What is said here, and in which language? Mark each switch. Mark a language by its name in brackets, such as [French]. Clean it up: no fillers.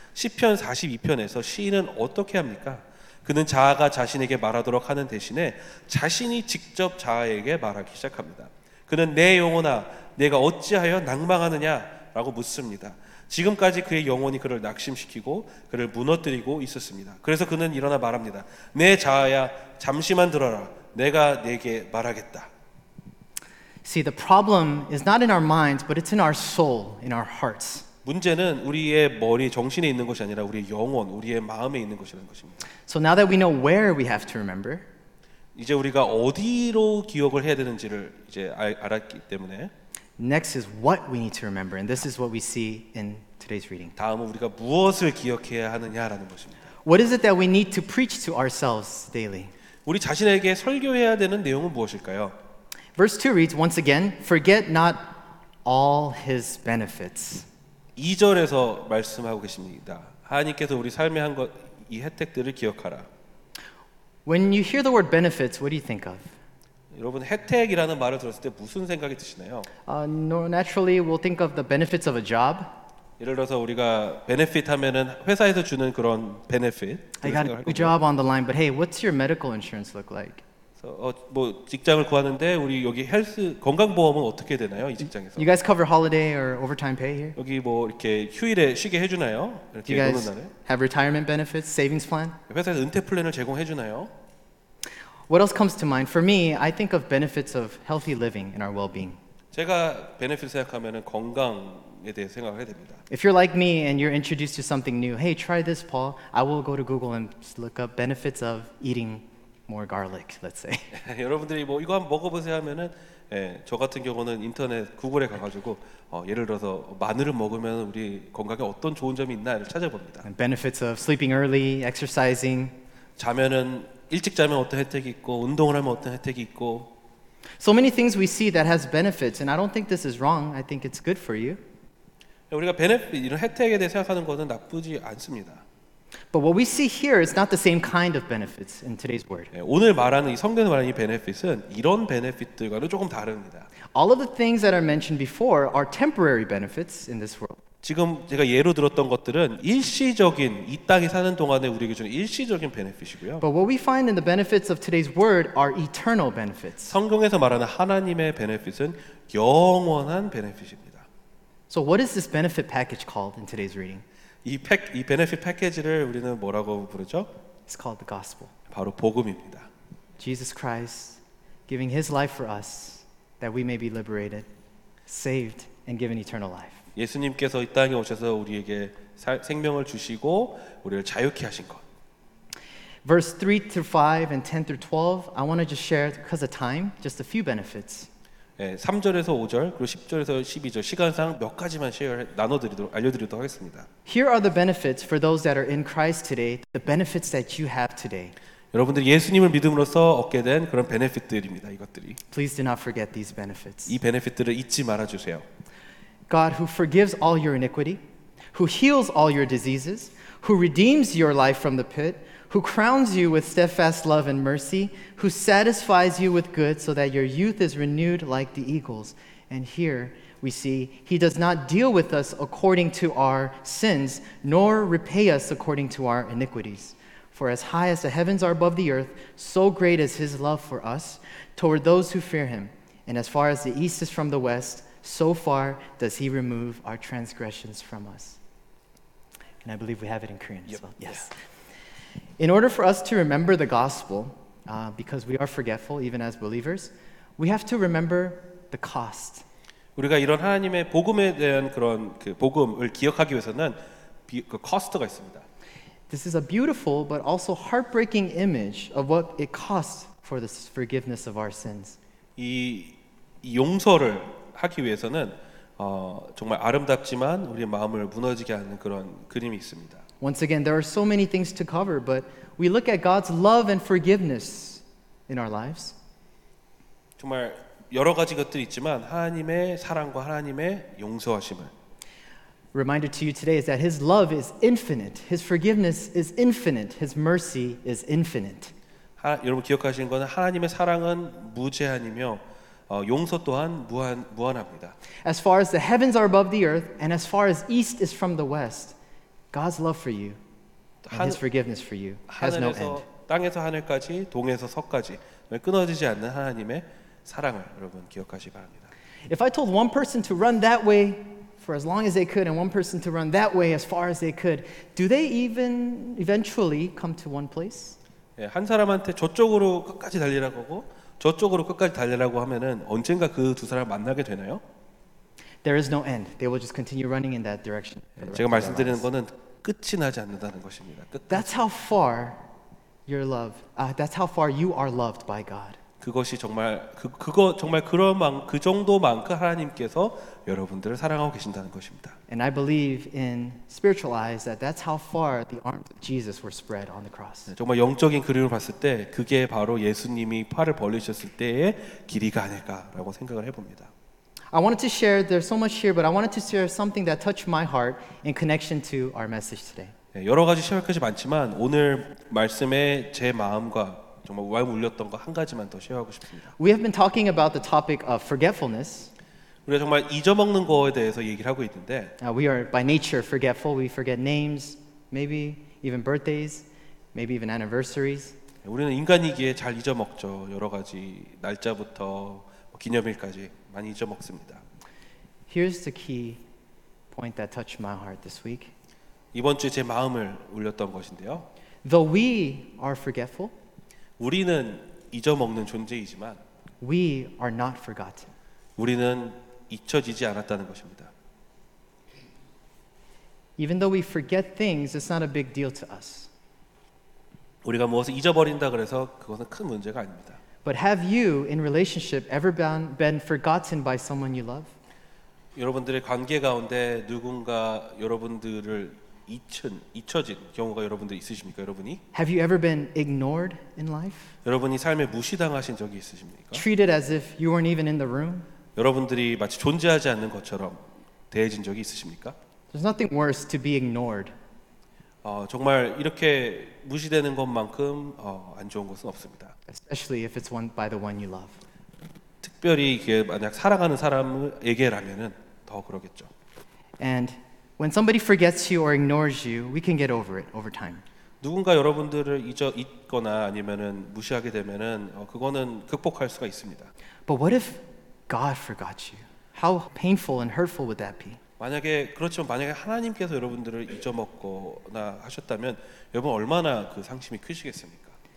[Korean] 시편 42편에서 시인은 어떻게 합니까? 그는 자아가 자신에게 말하도록 하는 대신에 자신이 직접 자아에게 말하기 시작합니다. 그는 내 영혼아, 내가 어찌하여 낙망하느냐라고 묻습니다. 지금까지 그의 영혼이 그를 낙심시키고 그를 무너뜨리고 있었습니다. 그래서 그는 일어나 말합니다. 내 자아야, 잠시만 들어라. 내가 네게 말하겠다. [English] See, the problem is not in our minds, but it's in our soul, in our hearts. [Korean] 문제는 우리의 머리, 정신에 있는 것이 아니라 우리의 영혼, 우리의 마음에 있는 것이라는 것입니다. [English] So now that we know where we have to remember, [Korean] 이제 우리가 어디로 기억을 해야 되는지를 이제 알았기 때문에, [English] next is what we need to remember, and this is what we see in today's reading. [Korean] 다음은 우리가 무엇을 기억해야 하느냐라는 것입니다. [English] What is it that we need to preach to ourselves daily? [Korean] 우리 자신에게 설교해야 되는 내용은 무엇일까요? [English] Verse 2 reads, once again, forget not all his benefits. [Korean] 2절에서 말씀하고 계십니다. 하나님께서 우리 삶에 한 것, 이 혜택들을 기억하라. [English] When you hear the word benefits, what do you think of? [Korean] 여러분, 혜택이라는 말을 들었을 때 무슨 생각이 드시나요? [English] Naturally, we'll think of the benefits of a job. [Korean] 예를 들어서 우리가 benefit 하면은 회사에서 주는 그런 benefit. [English] I got a good job on the line, but hey, what's your medical insurance look like? [Korean] 뭐 직장을 구하는데 우리 여기 헬스 건강보험은 어떻게 되나요 이 직장에서? [English] You guys cover holiday or overtime pay here? [Korean] 여기 뭐 이렇게 휴일에 쉬게 해주나요? 이렇게 [English] you guys have retirement benefits, savings plan? [Korean] 회사에서 은퇴 플랜을 제공해주나요? [English] What else comes to mind? For me, I think of benefits of healthy living and our well-being. [Korean] 제가 benefit 생각하면은 건강에 대해 생각을 해야 됩니다. [English] If you're like me and you're introduced to something new, hey, try this, Paul. I will go to Google and look up benefits of eating more garlic, let's say. [Korean] 여러분들이 뭐 이거 한번 먹어보세요 하면은, 예, 저 같은 경우는 인터넷 구글에 가가지고 예를 들어서 마늘을 먹으면 우리 건강에 어떤 좋은 점이 있나를 찾아봅니다. [English] And benefits of sleeping early, exercising. [Korean] 자면은 일찍 자면 어떤 혜택이 있고 운동을 하면 어떤 혜택이 있고. [English] So many things we see that has benefits, and I don't think this is wrong. I think it's good for you. [Korean] 우리가 benefit 이런 혜택에 대해 생각하는 것은 나쁘지 않습니다. [English] But what we see here is not the same kind of benefits in today's word. [Korean] 오늘 말하는 이 성경에 말하는 이 benefits은 이런 benefits들과는 조금 다릅니다. [English] All of the things that are mentioned before are temporary benefits in this world. [Korean] 지금 제가 예로 들었던 것들은 일시적인 이 땅에 사는 동안에 우리에게 주는 일시적인 benefits이고요. [English] But what we find in the benefits of today's word are eternal benefits. [Korean] 성경에서 말하는 하나님의 benefits은 영원한 benefits입니다. [English] So what is this benefit package called in today's reading? [Korean] 이 베네핏 패키지를 우리는 뭐라고 부르죠? [English] It's called the gospel. [Korean] 바로 복음입니다. [English] Jesus Christ giving his life for us that we may be liberated, saved and given eternal life. [Korean] 예수님께서 이 땅에 오셔서 우리에게 생명을 주시고 우리를 자유케 하신 것. [English] Verse 3 through 5 and 10 through 12 I want to just share because of time just a few benefits. [Korean] 예, 3절에서 5절 그리고 10절에서 12절 시간상 몇 가지만 알려드리도록 하겠습니다. [English] Here are the benefits for those that are in Christ today, the benefits that you have today. [Korean] 여러분들 예수님을 믿음으로써 얻게 된 그런 benefits들입니다. 이것들이. [English] Please do not forget these benefits. [Korean] 이 benefits들을 잊지 말아주세요. [English] God who forgives all your iniquity, who heals all your diseases, who redeems your life from the pit, who crowns you with steadfast love and mercy, who satisfies you with good so that your youth is renewed like the eagles. And here we see he does not deal with us according to our sins, nor repay us according to our iniquities. For as high as the heavens are above the earth, so great is his love for us toward those who fear him. And as far as the east is from the west, so far does he remove our transgressions from us. And I believe we have it in Korean as well. Yes. In order for us to remember the gospel, because we are forgetful even as believers, we have to remember the cost. [Korean] 우리가 이런 하나님의 복음에 대한 그런 그 복음을 기억하기 위해서는 그 코스트가 있습니다. [English] This is a beautiful but also heartbreaking image of what it costs for the forgiveness of our sins. [Korean] 이 용서를 하기 위해서는 정말 아름답지만 우리의 마음을 무너지게 하는 그런 그림이 있습니다. [English] Once again, there are so many things to cover, but we look at God's love and forgiveness in our lives. [Korean] 정말 여러 가지 것들이 있지만 하나님의 사랑과 하나님의 용서하심을. [English] Reminder to you today is that His love is infinite. His forgiveness is infinite. His mercy is infinite. [Korean] 여러분 기억하시는 것은 하나님의 사랑은 무제한이며 용서 또한 무한합니다. [English] As far as the heavens are above the earth, and as far as east is from the west, God's love for you and His forgiveness for you has no end. [Korean] 땅에서 하늘까지, 동에서 서까지 끊어지지 않는 하나님의 사랑을 여러분 기억하시기 바랍니다. [English] If I told one person to run that way for as long as they could, and one person to run that way as far as they could, do they even eventually come to one place? [Korean] 예, 한 사람한테 저쪽으로 끝까지 달리라고 하고 저쪽으로 끝까지 달리라고 하면은 언젠가 그 두 사람 만나게 되나요? [English] There is no end. They will just continue running in that direction. [Korean] 제가 말씀드리는 거는 끝이 나지 않는다는 것입니다. 끝까지. [English] That's how far your love. That's how far you are loved by God. [Korean] 그것이 정말 그거 정말 그런 그 정도만큼 하나님께서 여러분들을 사랑하고 계신다는 것입니다. [English] And I believe in spiritual eyes that that's how far the arms of Jesus were spread on the cross. [Korean] 정말 영적인 그림을 봤을 때 그게 바로 예수님이 팔을 벌리셨을 때의 길이가 아닐까라고 생각을 해봅니다. [English] I wanted to share, there's so much here, but I wanted to share something that touched my heart in connection to our message today. [Korean] 여러 가지 쉐어할 것이 많지만 오늘 말씀에 제 마음과 정말 와 울렸던 거 한 가지만 더 쉐어하고 싶습니다. [English] We have been talking about the topic of forgetfulness. [Korean] 우리가 정말 잊어먹는 거에 대해서 얘기를 하고 있는데 [English] We are by nature forgetful. We forget names, maybe even birthdays, maybe even anniversaries. [Korean] 우리는 인간이기에 잘 잊어먹죠. 여러 가지 날짜부터 기념일까지 많이 잊어먹습니다. [English] Here's the key point that touched my heart this week. [Korean] 이번 주에 제 마음을 울렸던 것인데요. [English] Though we are forgetful, [Korean] 우리는 잊어먹는 존재이지만 [English] We are not forgotten. [Korean] 우리는 잊혀지지 않았다는 것입니다. [English] Even though we forget things, it's not a big deal to us. [Korean] 우리가 무엇을 잊어버린다 그래서 그것은 큰 문제가 아닙니다. [English] But have you, in relationship, ever been forgotten by someone you love? [Korean] 여러분들의 관계 가운데 누군가 여러분들을 잊혀진 경우가 여러분들 있으십니까, 여러분이? [English] Have you ever been ignored in life? [Korean] 여러분이 삶에 무시당하신 적이 있으십니까? [English] Treated as if you weren't even in the room? [Korean] 여러분들이 마치 존재하지 않는 것처럼 대해진 적이 있으십니까? [English] There's nothing worse to be ignored. [Korean] 정말 이렇게 무시되는 것만큼 안 좋은 것은 없습니다. [English] Especially if it's one by the one you love. [Korean] 특별히 이게 만약 사랑하는 사람에게라면은 더 그러겠죠. [English] And when somebody forgets you or ignores you, we can get over it over time. [Korean] 누군가 여러분들을 잊거나 아니면은 무시하게 되면은 그거는 극복할 수가 있습니다. [English] But what if God forgot you? How painful and hurtful would that be? [Korean] 만약에 그렇지만 만약에 하나님께서 여러분들을 잊어먹거나 하셨다면 여러분 얼마나 그 상심이 크시겠습니까?